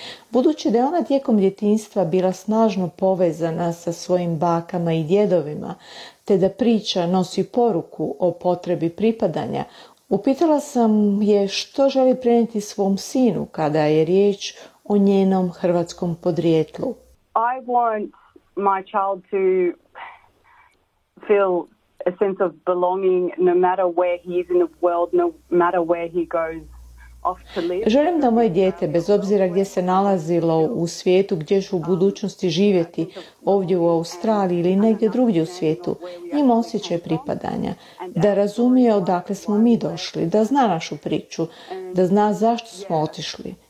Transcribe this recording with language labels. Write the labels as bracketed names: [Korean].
[Croatian] Budući da je ona tijekom djetinjstva bila snažno povezana sa svojim bakama i djedovima, te da priča nosi poruku o potrebi pripadanja, upitala sam je što želi prenijeti svom sinu kada je riječ o njenom hrvatskom podrijetlu. [English] I want my child to feel a sense of belonging no matter where he is in the world, no matter where he goes. [Croatian] Želim da moje dijete, bez obzira gdje se nalazilo u svijetu, gdje će u budućnosti živjeti, ovdje u Australiji ili negdje drugdje u svijetu, ima osjećaj pripadanja, da razumije odakle smo mi došli, da zna našu priču, da zna zašto smo otišli.